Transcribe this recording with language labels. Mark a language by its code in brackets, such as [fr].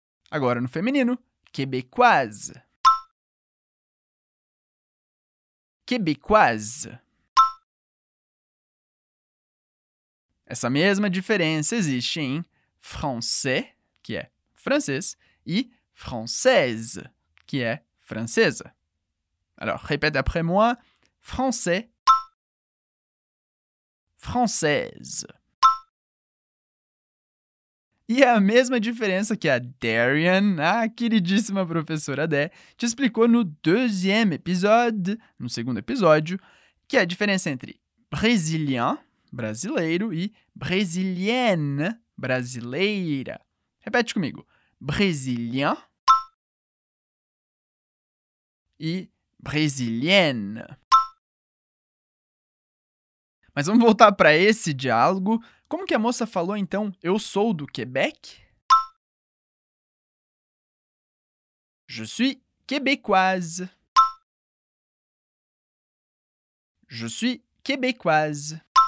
[pt] Agora no feminino, québécoise. [fr] Québécoise. [pt] Essa mesma diferença existe em français, [fr] qui est française, et française, qui est française. Alors, répète après moi. Français. Française. [pt] E é a mesma diferença que a Darian, a queridíssima professora Dé, te explicou no deuxième episódio, no segundo episódio, que é a diferença entre brésilien, brasileiro, e brésilienne, brasileira. Repete comigo. [fr] Brésilien e brésilienne. [pt] Mas vamos voltar para esse diálogo. Como que a moça falou, então, eu sou do Québec? [fr] Je suis québécoise. Je suis québécoise.